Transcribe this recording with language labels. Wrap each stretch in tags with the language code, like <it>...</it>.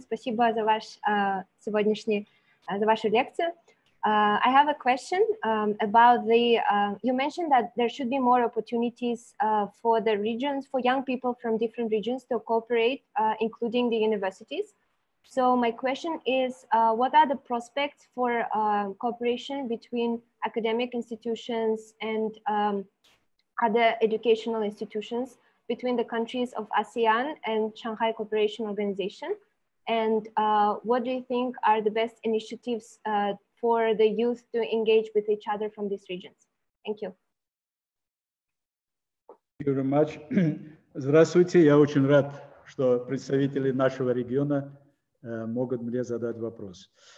<ru>Спасибо за ваш сегодняшний за вашу лекцию.</ru> <en>I have a question about the, you mentioned that there should be more opportunities for the regions, for young people from different regions to cooperate, including the universities. So my question is, what are the prospects for cooperation between academic institutions and other educational institutions between the countries of ASEAN and Shanghai Cooperation Organization? And what do you think are the best initiatives for the youth to engage with each other from these regions? Thank you. Thank you very much.</en> <ru>Здравствуйте, я очень рад, что представители нашего региона могут мне задать вопрос.</ru>